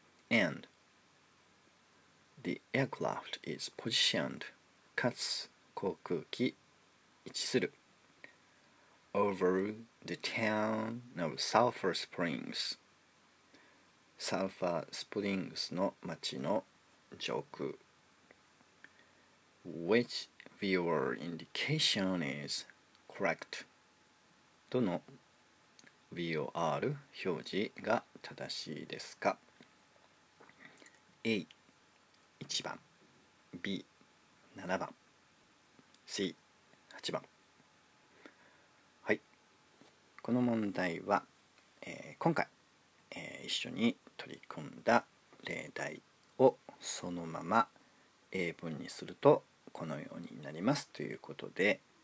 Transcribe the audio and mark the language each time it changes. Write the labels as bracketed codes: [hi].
[en] And the aircraft is positioned. [ja] かつ航空機位置する。 [en] Over the town of Sulphur Springs. [ja] Sulphur Springs の町の上空。 [en] Which VOR indication is correct? [ja] どの VOR 表示が正しいですか ?A. 1番 B. 7番 C. 8番この問題は、今回、一緒に取り組んだ例題をそのまま英文にするとこのようになりますということで、